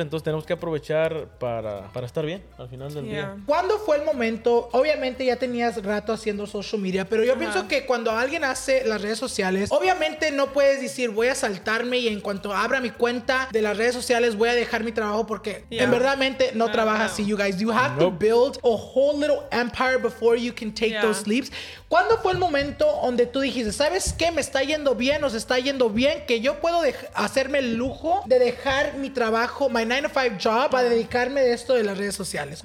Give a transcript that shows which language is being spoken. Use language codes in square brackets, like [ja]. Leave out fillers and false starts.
[es] Entonces tenemos que aprovechar para estar bien al final del día. ¿Cuándo fue el momento? Obviamente ya tenías rato haciendo social media, pero yo pienso que cuando alguien hace las redes sociales, obviamente no puedes decir, voy a saltarme y en cuanto abra mi cuenta de las redes sociales voy a dejar mi trabajo, porque en verdad no trabaja así, [en] you guys. You have to build a whole little empire before you can take those leaps. [es] ¿Cuándo fue el momento donde tú dijiste, sabes qué, me está yendo bien, nos está yendo bien, que yo puedo hacerme el lujo de dejar mi trabajo, [en] my 9-to-5 job, [es] para dedicarme de esto de las redes sociales?